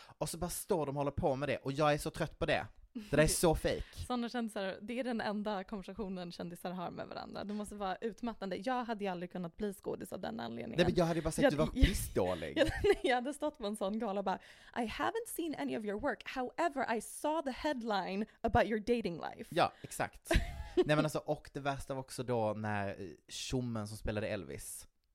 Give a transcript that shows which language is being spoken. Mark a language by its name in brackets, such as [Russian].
[Swedish] Och så bara står de och håller på med det. Och jag är så trött på det. Det är så fake. Sådana kändisar, det är den enda konversationen kändisar har med varandra. Det måste vara utmattande. Jag hade ju aldrig kunnat bli skådis av den anledningen. Nej, men jag hade bara sagt att du var pissdålig. Jag hade stått på en sån gala och bara [English] I haven't seen any of your work. However, I saw the headline about your dating life. [Swedish] Ja, exakt. Nej, men alltså, och det värsta var också då när Schumann som spelade Elvis.